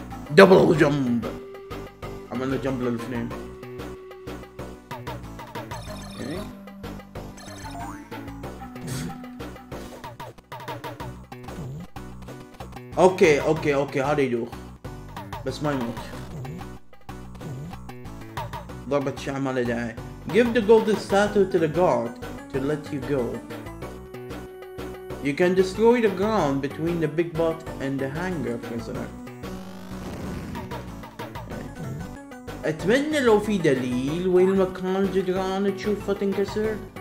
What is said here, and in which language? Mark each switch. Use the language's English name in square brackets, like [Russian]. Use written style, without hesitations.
[Arabic] دبل جمب عملنا جمب للاثنين. اوكي اوكي اوكي هذا يدوخ بس ما يموت. ضربة شعر ما له داعي. [English] Give the golden statue to the guard to let you go. You can destroy the ground between the big bot and the hangar prisoner. [Arabic] اتمنى لو في دليل وين المكان الجدران تشوفه تنكسر.